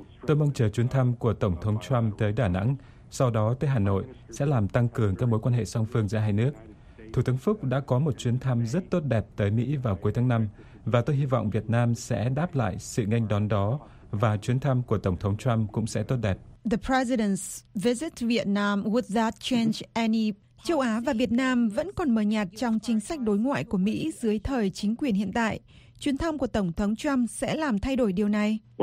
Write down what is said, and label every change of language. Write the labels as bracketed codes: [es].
[vi] Tôi mong chờ chuyến thăm của Tổng thống Trump tới Đà Nẵng, sau đó tới Hà Nội, sẽ làm tăng cường các mối quan hệ song phương giữa hai nước. Thủ tướng Phúc đã có một chuyến thăm rất tốt đẹp tới Mỹ vào cuối tháng 5, và tôi hy vọng Việt Nam sẽ đáp lại sự nghênh đón đó, và chuyến thăm của Tổng thống Trump cũng sẽ tốt đẹp. [en] The President's visit to Vietnam, would that change any... [vi] Châu Á và Việt Nam vẫn còn mờ nhạt trong chính sách đối ngoại của Mỹ dưới thời chính quyền hiện tại. Chuyến thăm của Tổng thống Trump sẽ làm thay đổi điều này.